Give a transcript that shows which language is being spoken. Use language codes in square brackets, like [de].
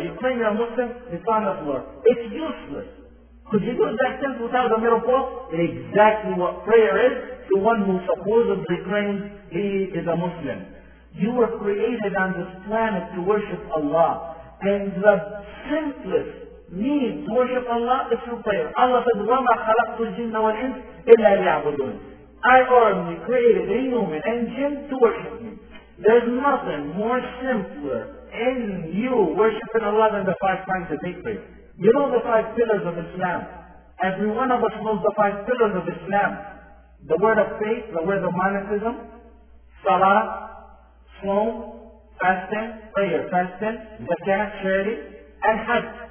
[en] You claim you're a Muslim, it's on the floor. It's useless. Could you do that tent without a middle pole? Exactly what prayer is to one who supposedly claims he is a Muslim. You were created on this planet to worship Allah, and the simplest need to worship Allah is through prayer. Allah said, [ar] وَمَا خَلَقْتُ الْجِنَّ وَالْإِنْسَ إِلَّا لِيَعْبُدُونَ. [en] I only created a human and jinn to worship me. There's nothing more simpler in you worshiping Allah than the 5 times a day prayer. You know the 5 pillars of Islam. Every one of us knows the 5 pillars of Islam. The word of faith, the word of monotheism, salah, sloan, fasting, prayer, fasting, zakah, charity, and hajj.